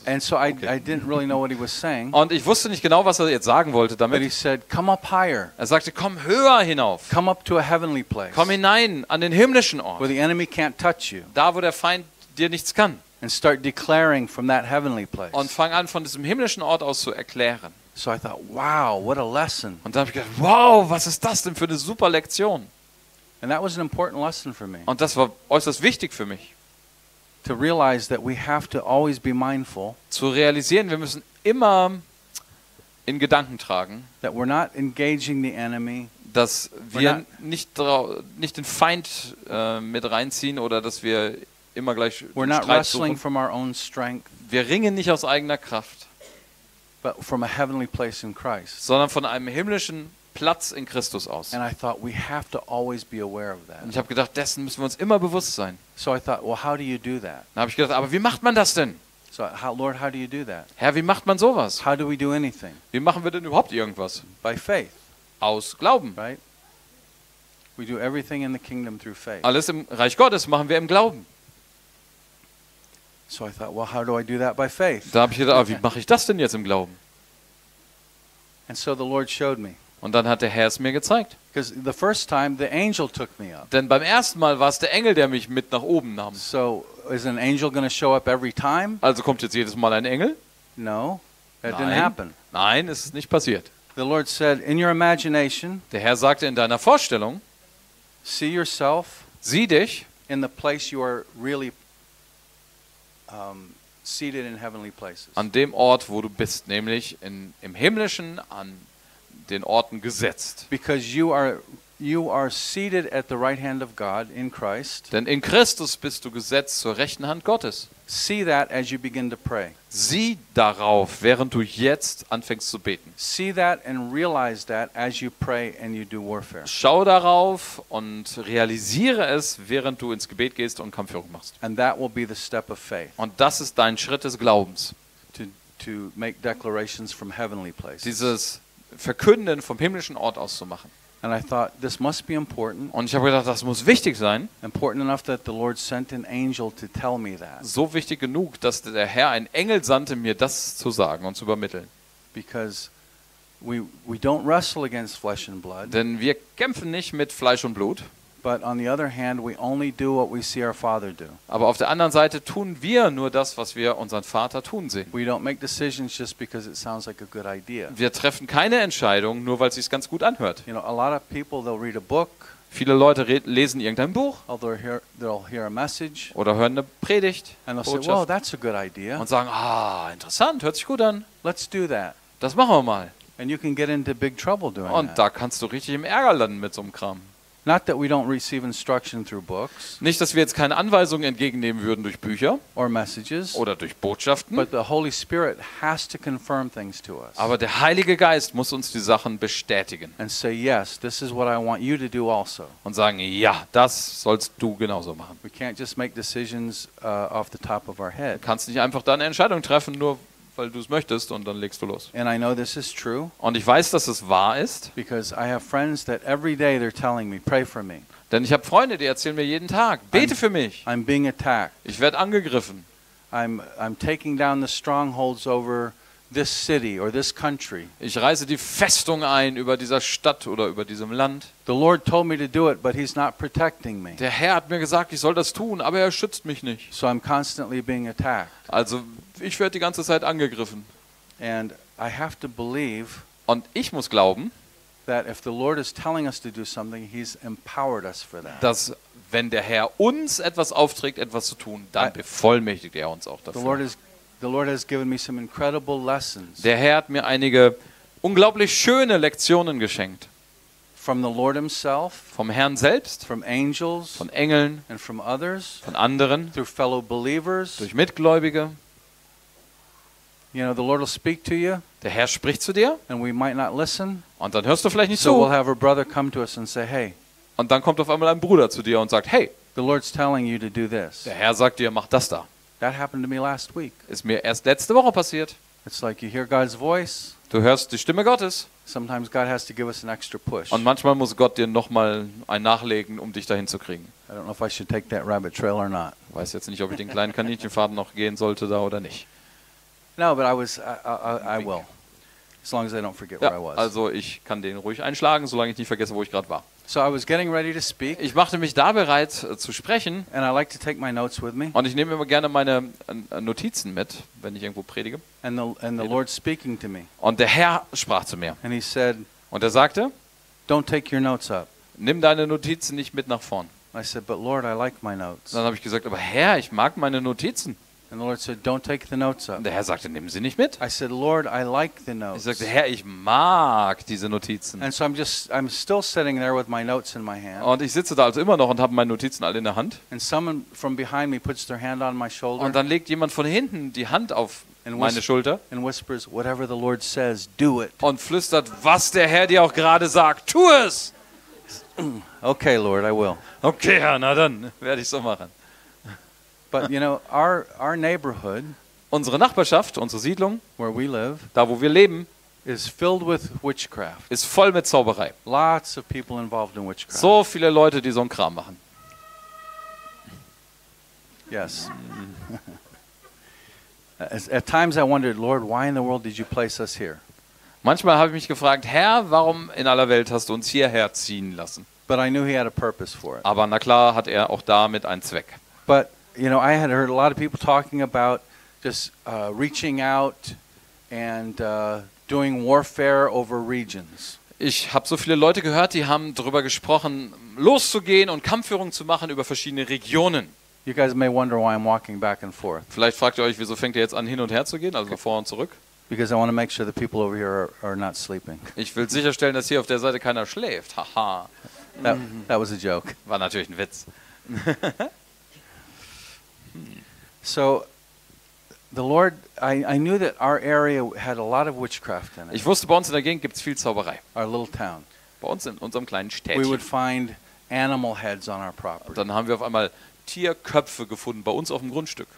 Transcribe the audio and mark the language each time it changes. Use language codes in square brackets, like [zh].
[en] And so I didn't really know what he was saying. [de] Und ich wusste nicht genau, was er jetzt sagen wollte damit. [en] But he said, come up higher. [de] Er sagte, komm höher hinauf. [en] Come up to a heavenly place. [de] Komm hinein an den himmlischen Ort. [en] Where the enemy can't touch you. [de] Da, wo der Feind dir nichts kann. [en] And start declaring from that heavenly place. [de] Und fang an, von diesem himmlischen Ort aus zu erklären. [en] So I thought, wow, what a lesson. [de] Und dann habe ich gedacht, wow, was ist das denn für eine super Lektion? [en] And that was an important lesson for me. [de] Und das war äußerst wichtig für mich. [en] To realize that we have to always be mindful. [de] Zu realisieren, wir müssen immer in Gedanken tragen, [en] that we're not engaging the enemy, [de] dass wir nicht den Feind mit reinziehen oder dass wir immer gleich [en] we're [de] Streit [en] not wrestling [de] suchen. [en] From our own strength, [de] wir ringen nicht aus eigener Kraft, [en] but from a heavenly place in Christ, [de] sondern von einem himmlischen Platz in Christus aus. [en] And I thought we have to always be aware of that. [de] Und ich habe gedacht, dessen müssen wir uns immer bewusst sein. [en] So I thought, well, how do you do that? [de] Dann habe ich gedacht, aber wie macht man das denn? [en] So how, Lord, how do you do that? [de] Herr, wie macht man sowas? [en] How do we do anything? [de] Wie machen wir denn überhaupt irgendwas? [en] By faith. [de] Aus Glauben. [en] Right? We do everything in the kingdom through faith. [de] Alles im Reich Gottes machen wir im Glauben. [en] So I thought, well, how do I do that by faith? [de] Da habe ich gedacht, aber wie mache ich das denn jetzt im Glauben? [en] And so the Lord showed me. [de] Und dann hat der Herr es mir gezeigt. [en] The first time the angel took me up. [de] Denn beim ersten Mal war es der Engel, der mich mit nach oben nahm. [en] So, is an angel gonna show up every time? [de] Also kommt jetzt jedes Mal ein Engel? [en] No, that didn't happen. [de] Nein, es ist nicht passiert. [en] The Lord said, in your imagination, [de] der Herr sagte, in deiner Vorstellung, [en] see yourself, [de] sieh dich [en] in the place you are really, seated in heavenly places. [de] An dem Ort, wo du bist, nämlich im himmlischen, an den Orten gesetzt. [en] Because you are seated at the right hand of God in Christ. [de] Denn in Christus bist du gesetzt zur rechten Hand Gottes. [en] See that as you begin to pray. [de] Sieh darauf, während du jetzt anfängst zu beten. [en] See that and realize that as you pray and you do warfare. [de] Schau darauf und realisiere es, während du ins Gebet gehst und Kampfführung machst. [en] And that will be the step of faith. [de] Und das ist dein Schritt des Glaubens. [en] To make declarations from heavenly places. [de] Dieses Verkünden vom himmlischen Ort aus zu machen. [en] And I thought, this must be important. [de] Und ich habe gedacht, das muss wichtig sein. [en] Important enough that the Lord sent an angel to tell me that. [de] So wichtig genug, dass der Herr einen Engel sandte, mir das zu sagen und zu übermitteln. [en] Because we don't wrestle against flesh and blood. [de] Denn wir kämpfen nicht mit Fleisch und Blut. [en] But on the other hand, we only do what we see our Father do. [de] Aber auf der anderen Seite tun wir nur das, was wir unseren Vater tun sehen. [en] We don't make decisions just because it sounds like a good idea. [de] Wir treffen keine Entscheidung nur, weil es sich ganz gut anhört. [en] You know, a lot of people they'll read a book. [de] Viele Leute lesen irgendein Buch. [en] They'll hear a message. [de] Oder hören eine Predigt. [en] And they'll say, "Wow, that's a good idea." [de] Und sagen, ah, interessant, hört sich gut an. [en] Let's do that. [de] Das machen wir mal. [en] And you can get into big trouble doing [de] that. Und da kannst du richtig im Ärger landen mit so einem Kram. [en] Not that we don't receive instruction through books. [de] Nicht, dass wir jetzt keine Anweisungen entgegennehmen würden durch Bücher [en] or messages, [de] oder durch Botschaften. [en] But the Holy Spirit has to confirm things to us. [de] Aber der Heilige Geist muss uns die Sachen bestätigen. [en] And say yes, this is what I want you to do also. [de] Und sagen, ja, das sollst du genauso machen. [en] We can't just make decisions off the top of our head. [de] Du kannst nicht einfach dann eine Entscheidung treffen, nur weil du es möchtest und dann legst du los. [en] And I know this is true. [de] Und ich weiß, dass es wahr ist. [en] Because I have friends that every day they're telling me, pray for me. [de] Denn ich habe Freunde, die erzählen mir jeden Tag, bete für mich. [en] I'm being attacked. [de] Ich werde angegriffen. [en] I'm taking down the strongholds over this city or this country. [de] Ich reiße die Festung ein über dieser Stadt oder über diesem Land. [en] The Lord told me to do it, but he's not protecting me. [de] Der Herr hat mir gesagt, ich soll das tun, aber er schützt mich nicht. [en] So I'm constantly being attacked. [de] Also ich werde die ganze Zeit angegriffen. [en] And I have to believe, [de] und ich muss glauben, [en] that if the Lord is telling us to do something, he's empowered us for that. [de] Dass wenn der Herr uns etwas aufträgt, etwas zu tun, dann bevollmächtigt er uns auch dafür. [en] The Lord has given me some incredible lessons. [de] Der Herr hat mir einige unglaublich schöne Lektionen geschenkt. [en] From the Lord himself, [de] vom Herrn selbst, [en] from angels, [de] von Engeln, [en] and from others, [de] von anderen, [en] through fellow believers, [de] durch Mitgläubige. [en] You know, the Lord will speak to you. [de] Der Herr spricht zu dir. [en] And we might not listen. [de] Und dann hörst du vielleicht nicht zu. [en] So we'll have a brother come to us and say, "Hey." [de] Und dann kommt auf einmal ein Bruder zu dir und sagt, "Hey." [en] The Lord's telling you to do this. [de] Der Herr sagt dir, mach das da. [en] That happened to me last week. [de] Ist mir erst letzte Woche passiert. [en] It's like you hear God's voice. [de] Du hörst die Stimme Gottes. [en] Sometimes God has to give us an extra push. [de] Und manchmal muss Gott dir noch mal ein Nachlegen, um dich dahin zu kriegen. [en] I don't know if I should take that rabbit trail or not. [de] Ich weiß jetzt nicht, ob ich den kleinen Kaninchenfaden noch gehen sollte da oder nicht. [en] No, but I will. As long as I don't forget where I was. [de] Also ich kann den ruhig einschlagen, solange ich nicht vergesse, wo ich gerade war. [en] So I was getting ready to speak. [de] Ich machte mich da bereit zu sprechen. [en] And I like to take my notes with me. [de] Und ich nehme immer gerne meine Notizen mit, wenn ich irgendwo predige. [en] And the Lord speaking to me. [de] Und der Herr sprach zu mir. [en] And he said, [de] und er sagte, [en] don't take your notes up. [de] Nimm deine Notizen nicht mit nach vorn. [en] I said, but Lord, I like my notes. [de] Dann habe ich gesagt, aber Herr, ich mag meine Notizen. [en] And the Lord said, don't take the notes up. [de] Der Herr sagte, nimm sie nicht mit. [en] I said, Lord, I like the notes. [de] Ich sagte, Herr, ich mag diese Notizen. [en] And so I'm still sitting there with my notes in my hand. [de] Und ich sitze da also immer noch und habe meine Notizen alle in der Hand. [en] And someone from behind me puts their hand on my shoulder. [de] Und dann legt jemand von hinten die Hand auf meine Schulter. [en] And whispers, whatever the Lord says, do it. [de] Und flüstert, was der Herr dir auch gerade sagt, tu es. [en] Okay, Lord, I will. [de] Okay, Herr, na dann werde ich so machen. [en] But you know, our neighborhood, [de] unsere Nachbarschaft, unsere Siedlung, [en] where we live, [de] da wo wir leben, [en] is filled with witchcraft. [de] Ist voll mit Zauberei. [en] Lots of people involved in witchcraft. [de] So viele Leute, die so einen Kram machen. [en] Yes. At times I wondered, Lord, why in the world did you place us here? [de] Manchmal habe ich mich gefragt, Herr, warum in aller Welt hast du uns hierher ziehen lassen? [en] But I knew he had a purpose for it. [de] Aber na klar, hat er auch damit einen Zweck. [en] But you know, I had heard a lot of people talking about just reaching out and doing warfare over regions. [de] Ich habe so viele Leute gehört, die haben darüber gesprochen, loszugehen und Kampfführung zu machen über verschiedene Regionen. [en] You guys may wonder why I'm walking back and forth. [de] Vielleicht fragt ihr euch, wieso fängt ihr jetzt an, hin und her zu gehen, also vor und zurück? [en] Because I want to make sure the people over here are not sleeping. [de] Ich will sicherstellen, dass hier auf der Seite keiner schläft. Haha. [en] That was a joke. [de] War natürlich ein Witz. [en] So the Lord, I knew that our area had a lot of witchcraft in it. [de] Ich wusste, bei uns in der Gegend gibt's viel Zauberei. [en] Our little town. [de] Bei uns in unserem kleinen Städtchen. [en] We would find animal heads on our property. [de] Dann haben wir auf einmal Tierköpfe gefunden bei uns auf dem Grundstück.